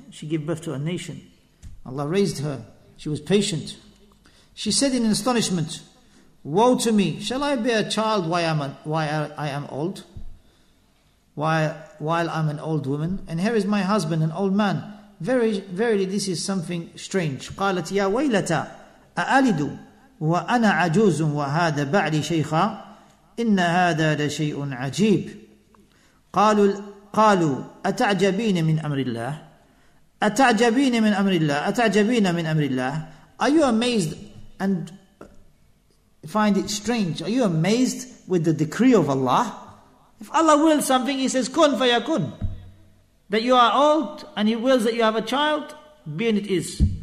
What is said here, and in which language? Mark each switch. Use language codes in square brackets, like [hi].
[en] She gave birth to a nation. Allah raised her. She was patient. She said in astonishment, woe to me, shall I bear a child while I am old? While I'm an old woman? And here is my husband, an old man. Verily, this is something strange. [ar] قالت يا ويلتا أألد وأنا عجوز وهذا بعدي شيخا إن هذا لشيء عجيب. قالوا أتعجبين من أمر الله؟ أتعجبين من أمر الله؟ أتعجبين من أمر الله؟ [en] Are you amazed and find it strange? Are you amazed with the decree of Allah? If Allah wills something, He says, [ar] كن فيكون. [en] That you are old and He wills that you have a child, being it is.